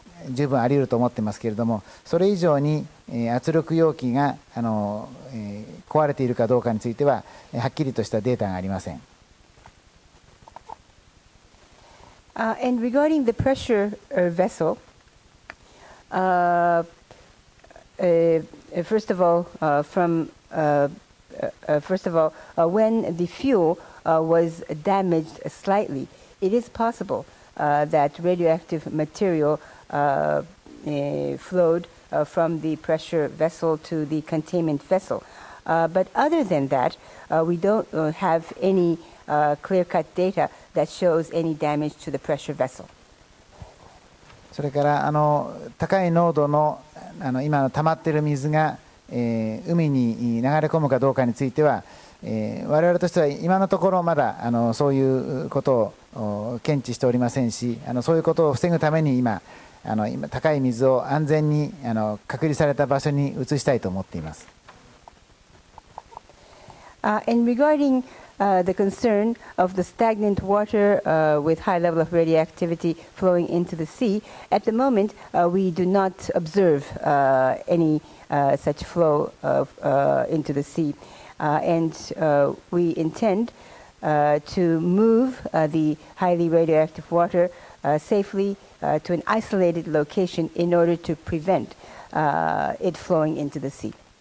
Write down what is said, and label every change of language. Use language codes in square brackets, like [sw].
[ja] 十分あり得ると思ってますけれども、それ以上に圧力容器が壊れているかどうかについてははっきりとしたデータがありません。 [en] And regarding the pressure vessel, first of all, when the fuel was damaged slightly, it is possible that radioactive material flowed from the pressure vessel to the containment vessel. But other than that, we don't have any clear-cut data that shows any damage to the pressure vessel. [ja] それから高い濃度の今の溜まっている水が、海に流れ込むかどうかについては、我々としては今のところまだそういうことを検知しておりませんし、そういうことを防ぐために今今高い水を安全に隔離された場所に移したいと思っています。 [en] And regarding the concern of the stagnant water with high level of radioactivity flowing into the sea, at the moment we do not observe any such flow of, into the sea, and we intend to move the highly radioactive water safely to an isolated location in order to prevent it flowing into the sea.